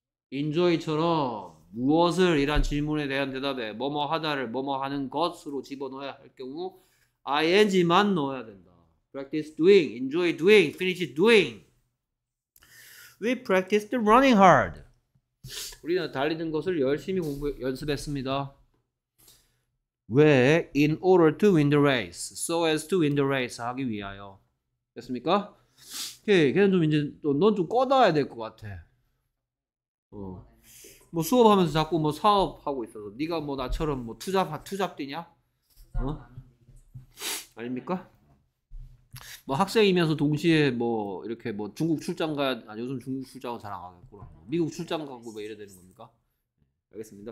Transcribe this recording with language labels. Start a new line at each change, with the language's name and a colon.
Korean: enjoy처럼 무엇을 이란 질문에 대한 대답에 뭐뭐 하다를 뭐뭐 하는 것으로 집어넣어야 할 경우 ing만 넣어야 된다.
English: practice doing, enjoy doing, finish doing. We practiced running hard.
Korean: 우리는 달리는 것을 열심히 연습했습니다. 왜?
English: in order to win the race, so as to win the race
Korean: 하기 위하여. 됐습니까? 오케이. 걔는 좀 이제 넌좀 꺼놔야 될것 같아. 뭐 수업하면서 자꾸 뭐 사업하고 있어서 네가 뭐 나처럼 뭐 투잡이냐? 아닙니까? 뭐 학생이면서 동시에 뭐 이렇게 뭐 중국 출장 가야 아니 요즘 중국 출장은 잘안 가겠구나 미국 출장 가고 뭐 이래야 되는 겁니까? 알겠습니다.